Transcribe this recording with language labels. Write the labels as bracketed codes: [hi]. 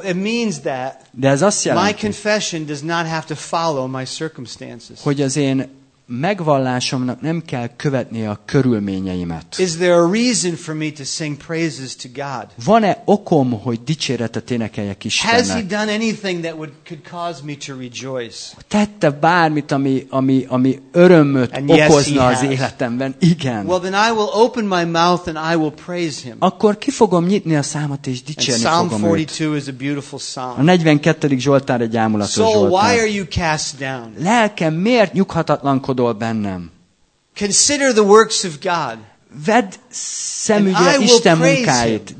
[en] it means that my confession does not have to follow my circumstances. [hu] Hogy az én megvallásomnak nem kell követnie a körülményeimet. [en] Is there a reason for me to sing praises to God? [hu] Van-e okom, hogy dicséretet énekeljek Istennek? [en] Has he done anything that could cause me to rejoice? [hu] Tette bármit, ami örömöt okozna az életemben? Igen. [en] Well, then I will open my mouth and I will praise him. [hu] Akkor ki fogom nyitni a számat és dicsérni fogom őt. [en] Psalm 42 is a beautiful psalm. [hu] A 42. Zsoltár egy ámulatos Zsoltár. [en] So why are you cast down? [hu] Lelkem, miért nyughatatlan? [en] Consider the works of God. [hu] Vedd szemügyre Isten munkáit.